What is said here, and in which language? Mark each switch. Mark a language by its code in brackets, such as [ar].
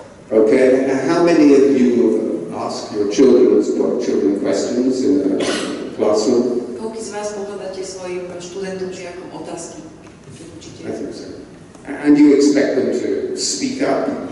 [en] Okay. And how many of you ask your children questions in the classroom? [sk] Koľký z vás pokladáte svojim študentom žiakom otázky? [en] I think so. And you expect them to speak up?